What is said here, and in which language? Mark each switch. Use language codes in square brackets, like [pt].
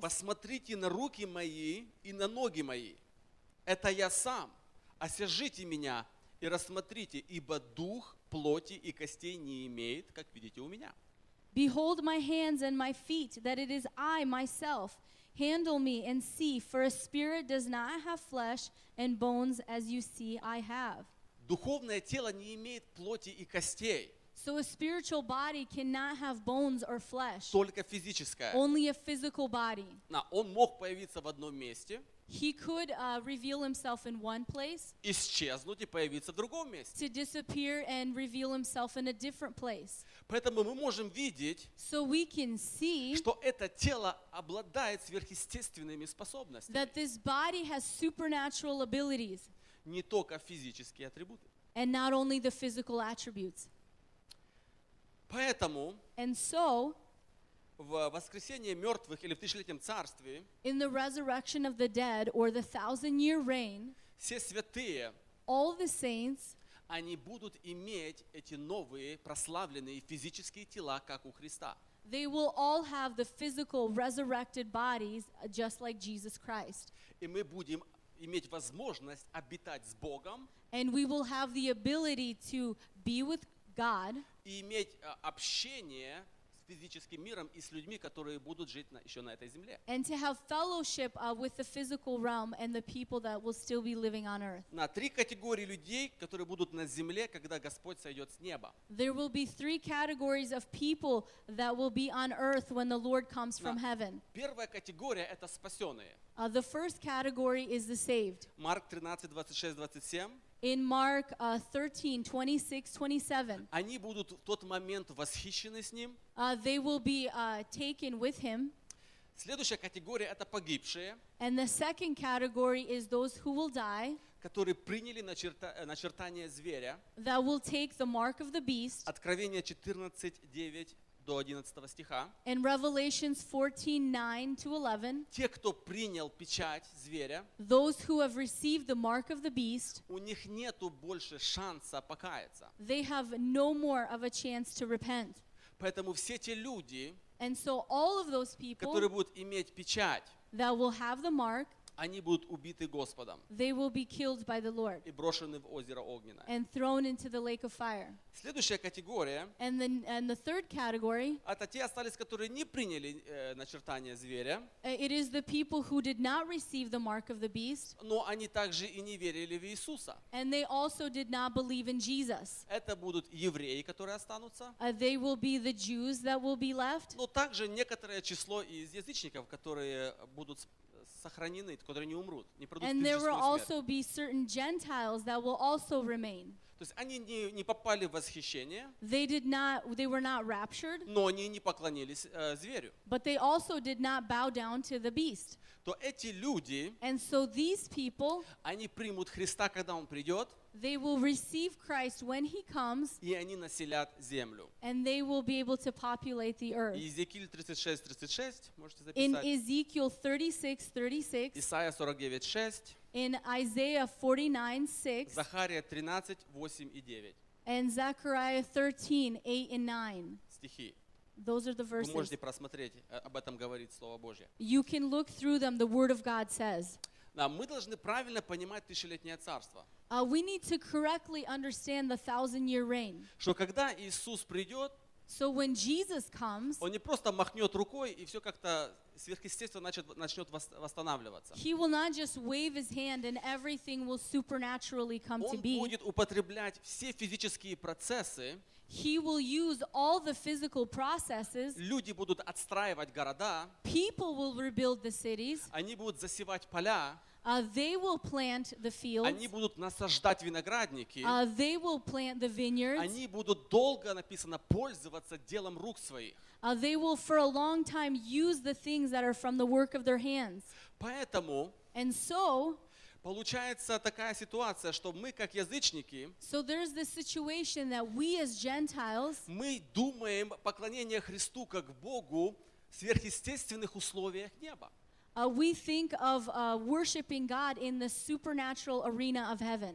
[ru] «Посмотрите на руки мои и на ноги мои. Это я сам. Осяжите меня и рассмотрите, ибо дух плоти и костей не имеет, как видите у меня». [en] Behold my hands and my feet, that it is I myself. Handle me and see, for a spirit does not have flesh and bones as you see I have. [ru] Духовное тело не имеет плоти и костей. [en] So a spiritual body cannot have bones or flesh. [ru] Только физическое. [en] Only a physical body. [ru] Да, он мог появиться в одном месте. [en] He could reveal himself in one place. [ru] Исчезнуть и появиться в другом месте. [en] To disappear and reveal himself in a different place. [ru] Поэтому мы можем видеть, [en] so we can see, [ru] что это тело обладает сверхъестественными способностями. [en] That this body has supernatural abilities. [ru] Не только физические атрибуты. [en] And not only the physical attributes. [ru] Поэтому [en] and so, [ru] в воскресении мертвых или в тысячелетнем царстве [en] in the resurrection of the dead or the thousand-year reign, [ru] все святые, [en] all the saints, [ru] они будут иметь эти новые прославленные физические тела, как у Христа. [en] They will all have the physical resurrected bodies just like Jesus Christ. [ru] И мы будем иметь возможность обитать с Богом. [en] And we will have the ability to be with God. [ru] И иметь общение с физическим миром и с людьми, которые будут жить еще на этой земле. [en] And to have fellowship with the physical realm and the people that will still be living on earth. [ru] На три категории людей, которые будут на земле, когда Господь сойдет с неба. [en] There will be three categories of people that will be on earth when the Lord comes from heaven. [ru] Первая категория — это спасенные. [en] The first category is the saved. Mark 13:26-27. In Mark 13:26-27. [ru] Они будут в тот момент восхищены с ним. [en] They will be taken with him. [ru] Следующая категория это погибшие. [en] And the second category is those who will die. [ru] Которые приняли начертание зверя. [en] That will take the mark of the beast. [ru] Откровение 14:9. До 11 стиха. [en] In Revelations 14:9-11. [ru] Те, кто принял печать зверя. [en] Those who have received the mark of the beast. [ru] У них нету больше шанса покаяться. [en] They have no more of a chance to repent. [ru] Поэтому все те люди. [en] And so all of those people. [ru] Которые будут иметь печать. [en] That will have the mark. [ru] Они будут убиты Господом. [en] They will be killed by the Lord. [ru] И брошены в озеро огненное. [en] And thrown into the lake of fire. [ru] Следующая категория. [en] And the third category. [ru] Это те остались, которые не приняли начертание зверя. [en] It is the people who did not receive the mark of the beast. [ru] Но они также и не верили в Иисуса. [en] And they also did not believe in Jesus. [ru] Это будут евреи, которые останутся. [en] They will be the Jews that will be left. [ru] Но также некоторое число из язычников, которые будут сохранены, которые не умрут, не продут [en] And there will also be certain Gentiles that will also remain. [ru] То есть они не попали в восхищение. [en] They did not, they were not raptured. [ru] Но они не поклонились зверю. [en] But they also did not bow down to the beast. [ru] То эти люди, [en] And so these people, [ru] они примут Христа, когда он придет. [en] They will receive Christ when he comes. [ru] И они населят землю. [en] And they will be able to populate the earth. [ru] Иезекииль 36:36, можете записать. [en] In Ezekiel 36:36. [ru] Исайя 49:6. [en] In Isaiah 49:6. [ru] Захария 13:8-9. [en] And Zechariah 13:8-9. [ru] Стихи. [en] Those are the verses. [ru] Вы можете просмотреть, об этом говорит Слово Божье. [en] You can look through them, the Word of God says. [ru] Да, мы должны правильно понимать тысячелетнее царство. [en] We need to correctly understand the thousand-year reign. [ru] Что когда Иисус придет, [en] so when Jesus comes, [ru] Он не просто махнет рукой, и все как-то сверхъестественно начнет восстанавливаться. [en] He will not just wave his hand and everything will supernaturally come to be. [ru] Он будет употреблять все физические процессы. [en] He will use all the physical processes. [ru] Люди будут отстраивать города. [en] People will rebuild the cities. [ru] Они будут засевать поля. [en] They will plant the fields. [ru] Они будут насаждать виноградники. [en] They will plant the vineyards. [ru] Они будут долго, написано, пользоваться делом рук своих. [en] They will for a long time use the things that are from the work of their hands. [ru] Поэтому, [en] and so, [ru] Получается такая ситуация, что мы как язычники, [en] so there's this situation that we as Gentiles, [ru] мы думаем поклонение Христу как Богу в сверхъестественных условиях неба. [en] We think of worshiping God in the supernatural arena of heaven.